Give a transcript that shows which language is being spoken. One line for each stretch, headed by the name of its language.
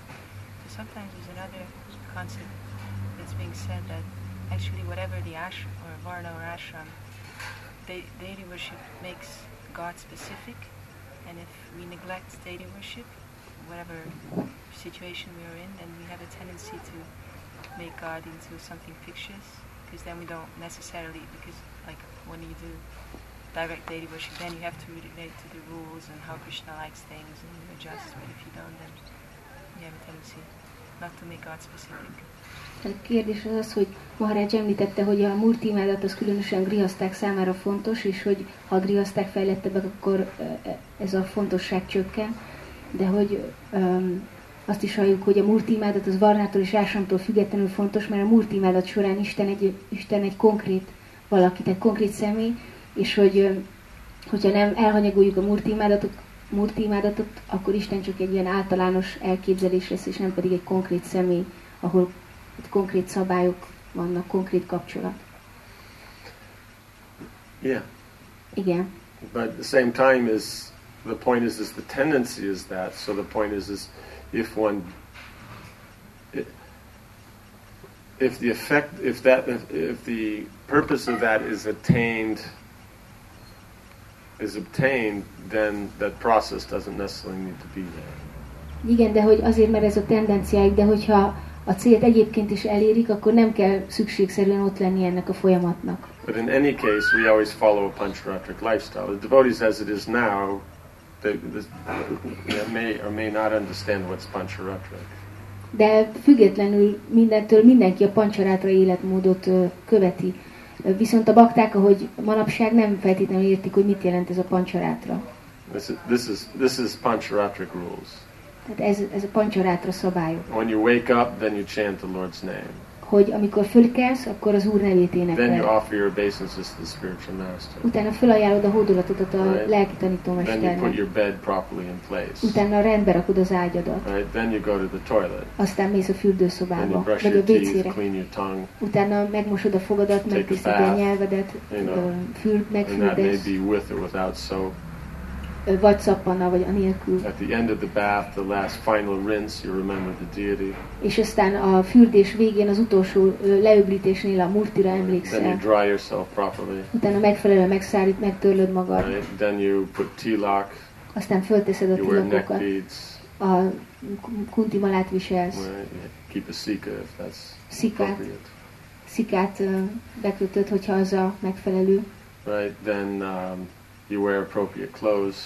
English: So sometimes there's another concept that's being said that actually whatever the ashram or varna or ashram, deity worship makes God specific, and if we neglect deity worship, whatever situation we are in, then we have a tendency to make God into something fictitious, because then we don't necessarily, because like when you do direct deity worship, then you have to relate to the rules and how Krishna likes things and you adjust, but if you don't, then you have a tendency not to make God specific.
Hungarian: A kérdés az az, hogy Maharaj említette, hogy a murti imádat az különösen grihaszták számára fontos, és hogy ha a grihaszták fejlettebbek, akkor ez a fontosság csökken, de hogy azt is halljuk, hogy a murti imádat az varnától és ásramtól függetlenül fontos, mert a murti imádat során Isten egy konkrét valakit, egy konkrét személy, és hogyha nem elhanyagoljuk a murti imádatot, akkor Isten csak egy ilyen általános elképzelés lesz, és nem pedig egy konkrét személy, ahol itt konkrét szabályok vannak, konkrét kapcsolat.
English: Yeah.
Hungarian: Igen.
English: But at the same time is the point is the tendency is that, so the point is if one if the purpose of that is obtained, then that process doesn't necessarily need to be there.
Hungarian: Igen, de hogy azért, mert ez a tendenciáik, de hogyha a célt egyébként is elérik, akkor nem kell szükségszerűen ott lenni ennek a folyamatnak.
English: But in any case, we always follow a panchratric lifestyle. The devotees as it is now, they may or may not understand what's panchratric.
Hungarian: De függetlenül mindentől mindenki a panchratra életmódot követi. Viszont a bakták, ahogy manapság nem feltétlenül értik, hogy mit jelent ez a panchratra.
English: This is panchratric rules.
Hungarian: Tehát ez a pancsorátra szabályok.
English: When you wake up, then you chant the Lord's name.
Hungarian: Hogy amikor fölkelsz, akkor az Úr nevét énekel.
English: Then you offer your obeisances to the spiritual master.
Hungarian: Utána felajánlod a hódolatodat a lelki tanítómesternek.
English: Then you put your bed properly in place.
Hungarian: Utána rendbe rakod az ágyadat.
English: Right? Then you go to the toilet.
Hungarian: Aztán mész a fürdőszobába, meg a vécére.
English: Clean your tongue.
Hungarian: Utána megmosod a fogadat, megtisztítod a nyelvedet, megfürdesz.
English: And that may be with or without soap.
Hungarian: Vagy szappanna, vagy anélkül.
English: At the end of the bath, the last final rinse, you remember the deity.
Hungarian: És aztán a fürdés végén, az utolsó leöblítésnél a murtira emlékszel.
English: Then you dry yourself properly.
Hungarian: Utána megfelelően megszárít, megtörlöd magad.
English: Right. Then you put tilak.
Hungarian: Aztán fölteszed a tilakokat.
English: You wear neck beads.
Hungarian: A kunti malát viselsz.
English: Right. Keep a szika, if that's
Hungarian: szikát.
English: Appropriate.
Hungarian: Szikát bekötöd, hogyha az a megfelelő.
English: Right, then you wear appropriate clothes.